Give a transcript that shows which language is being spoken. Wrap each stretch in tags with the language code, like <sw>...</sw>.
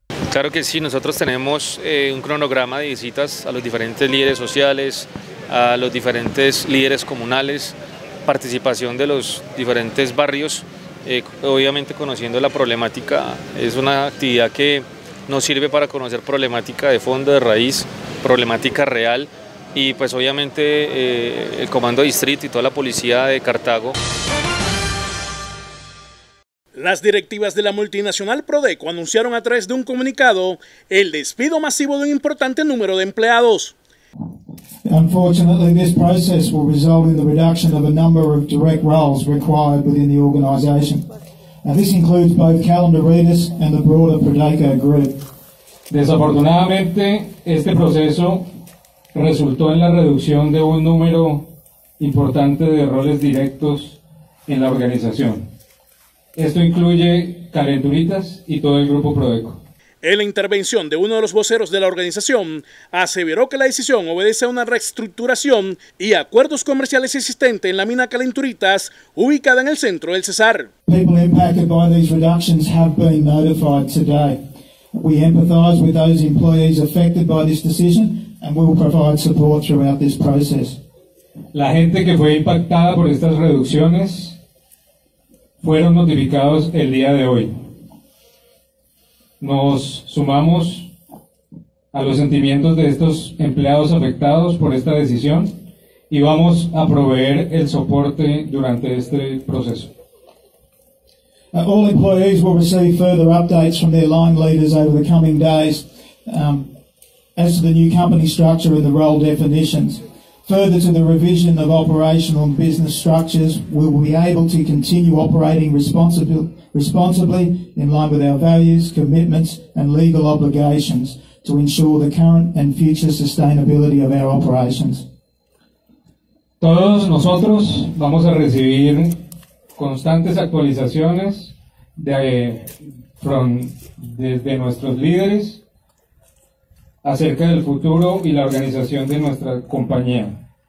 <es>Claro que sí, nosotros tenemos un cronograma de visitas a los diferentes líderes sociales, a los diferentes líderes comunales, participación de los diferentes barrios, obviamente conociendo la problemática, es una actividad que nos sirve para conocer problemática de fondo, de raíz, problemática real. Y pues obviamente el comando distrito y toda la policía de Cartago. Las directivas de la multinacional Prodeco anunciaron a través de un comunicado el despido masivo de un importante número de empleados.</es> <en>Unfortunately, this process will result in the reduction of a number of direct roles required within the organization. And this includes both calendar readers and the broader Prodeco group.</en> <es>Desafortunadamente, este proceso resultó en la reducción de un número importante de roles directos en la organización. Esto incluye calenturitas y todo el grupo Prodeco. En la intervención de uno de los voceros de la organización, aseveró que la decisión obedece a una reestructuración y acuerdos comerciales existentes en la mina Calenturitas, ubicada en el centro del Cesar.</es> <en>People impacted by these reductions have been notified today. We empathize with those employees affected by this decision. And we will provide support throughout this process.</en> <es>La gente que fue impactada por estas reducciones fueron notificados el día de hoy. Nos sumamos a los sentimientos de estos empleados afectados por esta decisión y vamos a proveer el soporte durante este proceso.</es> <en>All employees will receive further updates from their line leaders over the coming days. As to the new company structure and the role definitions, further to the revision of operational and business structures, we will be able to continue operating responsibly in line with our values, commitments and legal obligations to ensure the current and future sustainability of our operations.</en> <es>Todos nosotros vamos a recibir constantes actualizaciones desde nuestros líderes acerca del futuro y la organización de nuestra compañía.</es>